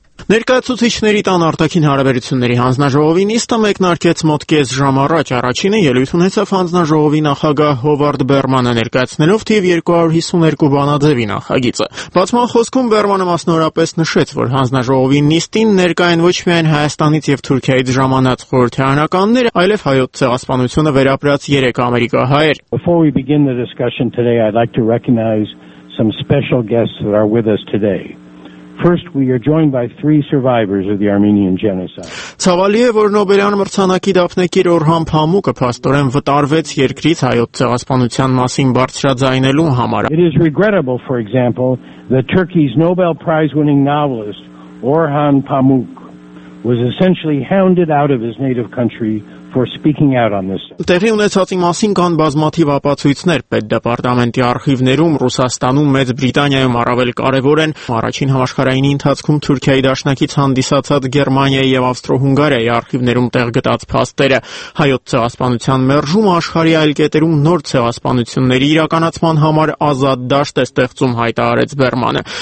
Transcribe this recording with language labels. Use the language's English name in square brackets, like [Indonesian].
[Armenian] Ներկայացուցիչների տան Արտաքին Հարաբերությունների Հանձնաժողովի նիստը մեկնարկեց մոտ կես ժամ առաջ, առաջինը ելույթ ունեցավ Հանձնաժողովի նախագահ Հովարդ Բերմանը, ներկայացնելով թիվ 252 բանաձևի նախագիծը։ Բացման խոսքում Բերմանը մասնավորապես նշեց, որ Հանձնաժողովի նիստին ներկա են ոչ միայն Հայաստանից և Թուրքիայից ժամանած խորհրդարանականներ, այլև հայոց ցեղասպանությունը վերապրած 3 ամերիկահայր։ [English] Before we begin the discussion today, I'd like to recognize some special guests that are with us today. First, we are joined by three survivors of the Armenian Genocide. [Armenian] Ցավալի է, որ Նոբելյան մրցանակի դափնեկիր Օրհան Փամուկը փաստորեն վտարվեց երկրից հայոց ցեղասպանության մասին բարձրաձայնելու համար. [English] It is regrettable, for example, that Turkey's Nobel Prize-winning novelist Orhan Pamuk was essentially hounded out of his native country for speaking out on this. [Armenian] Տեղի ունեցածի մասին կան բազմաթիվ ապացույցներ պետ դեպարտամենտի արխիվներում, Ռուսաստանում, Մեծ Բրիտանիայում, առավել կարևոր են առաջին համաշխարհային ընթացքում Թուրքիայի դաշնակից հանդիսացած Գերմանիայի եւ Ավստրո-Հունգարիայի արխիվներում տեղ գտած փաստերը։ Հայոց ցեղասպանության մերժումը աշխարհի այլ կետերում նոր ցեղասպանությունների իրականացման համար ազատ դաշտ է ստեղծում, հայտարարեց Բերմանը։